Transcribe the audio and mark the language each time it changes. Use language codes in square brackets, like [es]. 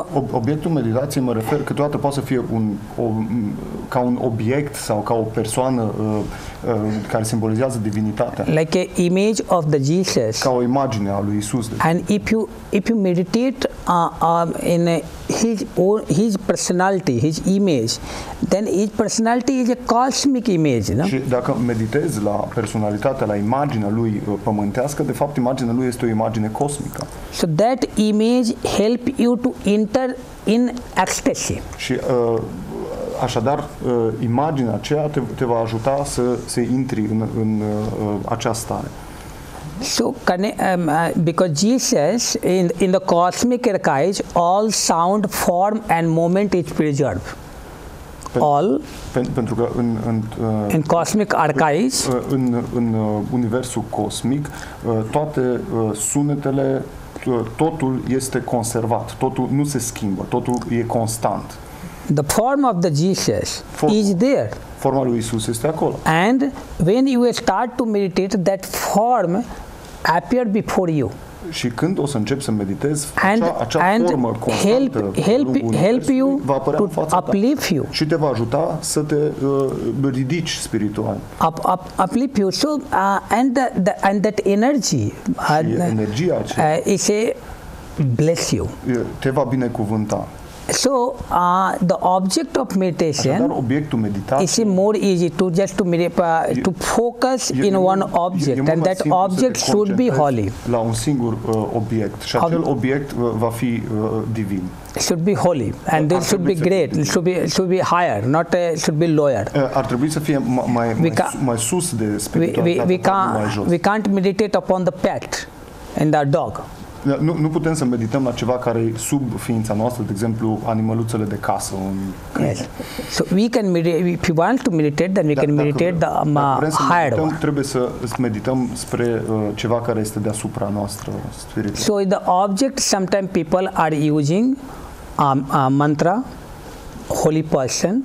[ro] Obiectul meditației, mă refer că toată poate să fie ca un obiect sau ca o persoană care simbolizează divinitatea. [en] Like a image of the Jesus. [ro] Ca o imagine a lui Isus. [en] And if you meditate in his personality, his image, then his personality is a cosmic image, no? [ro] Și dacă meditezi la personalitatea, la imaginea lui pământească, de fapt imaginea lui este o imagine cosmică. [en] So that image help you to enter in ecstasy. [ro] Și așadar imaginea aceea te va ajuta să intri în această stare. [en] So because Jesus in the cosmic archive, all sound, form and moment is preserved. [ro] Pentru că în [en] cosmic archives, [ro] în universul cosmic, toate sunetele, totul este conservat, totul nu se schimbă, totul e constant. [en] The form of the Jesus is there. [ro] Forma lui Isus este acolo. [en] And when you start to meditate, that form appear before you. [ro] Și când o să încep să meditez, acea formă constantă, [en] help you, [ro] va apărea [en] to [ro] în fața [en] uplift [ro] ta [en] you. [ro] Și te va ajuta să te ridici spiritual. [en] Uplift you. So and that energy. [ro] Energia aceea. [en] Se bless you. [ro] Te va binecuvânta. [en] So the object of meditation, [ro] așadar, obiectul meditației, [en] is more easy to just to to focus in one object, and that object should be holy. [ro] La un singur obiect, și acel obiect va fi divin. [en] Should be holy, and this should be great. Should be higher, not should be lower. [ro] Ar trebui să fie mai sus de spiritualitate. [en] We can't meditate upon the pet and the dog. [ro] Nu putem să medităm la ceva care e sub ființa noastră, de exemplu, animăluțele de casă. [en] Yes. So we can if you want to meditate, then we can meditate the higher one. [ro] Trebuie să medităm spre ceva care este deasupra noastră, spiritul. [en] So the object, sometimes people are using a mantra, holy person.